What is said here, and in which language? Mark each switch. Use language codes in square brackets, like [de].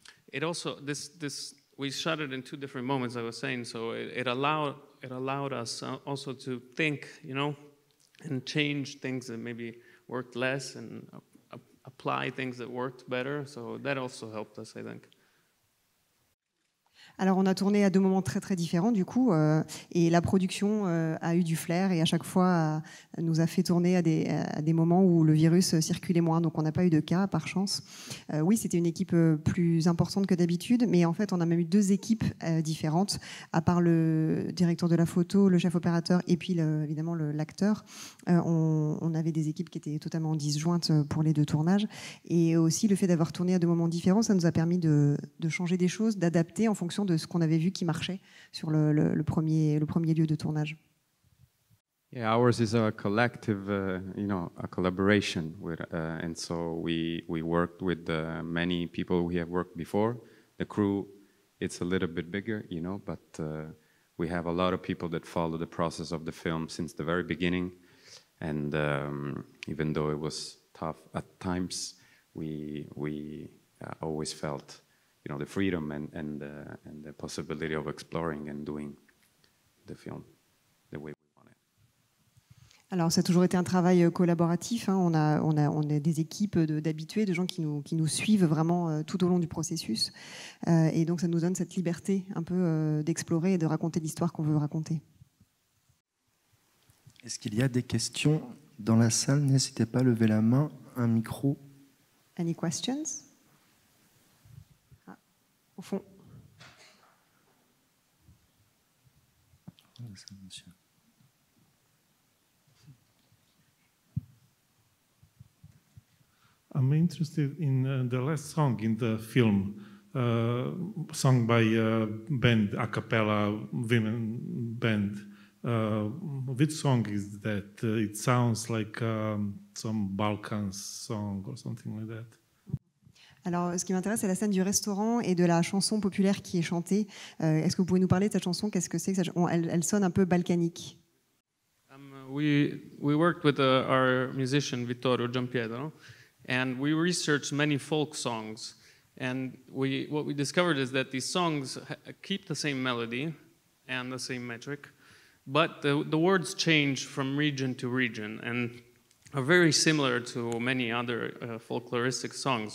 [en] And we shot it in two different moments, I was saying, so it allowed us also to think, you know, and change things that maybe worked less and apply things that worked better. So that also helped us, I think. [fr] Alors, on a tourné à deux moments très, très différents, du coup, et la production a eu du flair et à chaque fois nous a fait tourner à des moments où le virus circulait moins. Donc, on n'a pas eu de cas, par chance. Oui, c'était une équipe plus importante que d'habitude, mais en fait, on a même eu deux équipes différentes, à part le directeur de la photo, le chef opérateur et puis, évidemment, l'acteur. On avait des équipes qui étaient totalement disjointes pour les deux tournages. Et aussi, le fait d'avoir tourné à deux moments différents, ça nous a permis de changer des choses, d'adapter en fonction de ce qu'on avait vu qui marchait sur le premier lieu de tournage. [en] Yeah, ours is a collective, a collaboration with, and so we worked with many people we have worked before. The crew, it's a little bit bigger, you know, but we have a lot of people that follow the process of the film since the very beginning, and even though it was tough at times, we always felt, you know, the freedom and the possibility of exploring and doing the film the way we want it. [fr] Alors, ça a toujours été un travail collaboratif. Hein. On a des équipes d'habitués, de gens qui nous suivent vraiment tout au long du processus. Et donc, ça nous donne cette liberté un peu d'explorer et de raconter l'histoire qu'on veut raconter. Est-ce qu'il y a des questions dans la salle? N'hésitez pas à lever la main, un micro. [en] Any questions? [fr] Au fond. [en] I'm interested in the last song in the film, sung by a band, a cappella women band. Which song is that? It sounds like some Balkans song or something like that. [fr] Alors, ce qui m'intéresse, c'est la scène du restaurant et de la chanson populaire qui est chantée. Est-ce que vous pouvez nous parler de cette chanson? Qu'est-ce que c'est que elle sonne un peu balkanique. [en] We worked with our musician Vittorio Giampietro, and we researched many folk songs. And what we discovered is that these songs keep the same melody and the same metric, but the words change from region to region and are very similar to many other folkloristic songs.